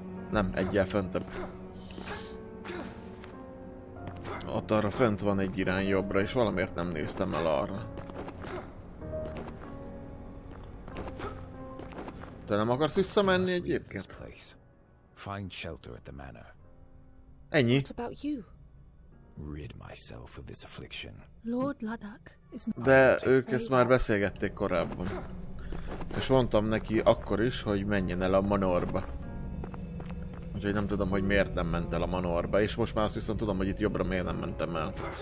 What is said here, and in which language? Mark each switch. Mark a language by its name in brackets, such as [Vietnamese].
[Hungarian] Nem, egyel fentebb. Ott arra fent van egy irány jobbra, és valamiért nem néztem el arra. Te nem akarsz visszamenni egyébként? [English] Find shelter at the manor. [Hungarian] Ennyi. [English] What about you? Rid myself of this affliction. Lord Ladakh is not. [Hungarian] De ők ezt már beszélgették korábban. És mondtam neki akkor is, hogy menjen el a manorba. Úgyhogy nem tudom, hogy miért nem ment el a manorba, és most már azt viszont tudom, hogy itt jobbra miért nem mentem el.